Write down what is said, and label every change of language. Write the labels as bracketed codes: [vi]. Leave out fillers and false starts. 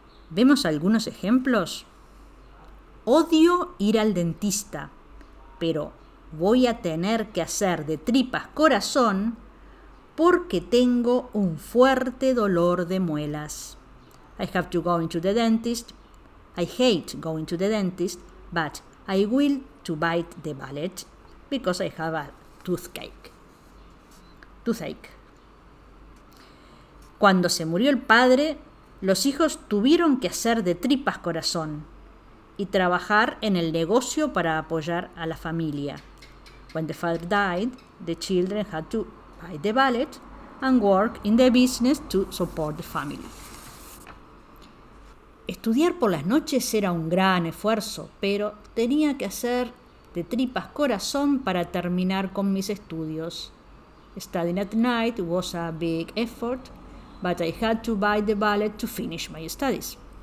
[es] ¿Vemos algunos ejemplos? Odio ir al dentista, pero voy a tener que hacer de tripas corazón porque tengo un fuerte dolor de muelas. [en] I have to go into the dentist. I hate going to the dentist, but I will to bite the bullet because I have a toothache. Toothache. [es] Cuando se murió el padre, los hijos tuvieron que hacer de tripas corazón y trabajar en el negocio para apoyar a la familia. [en] When the father died, the children had to bite the bullet and work in the business to support the family. [es] Estudiar por las noches era un gran esfuerzo, pero tenía que hacer de tripas corazón para terminar con mis estudios. [en] Studying at night was a big effort, but I had to bite the bullet to finish my studies.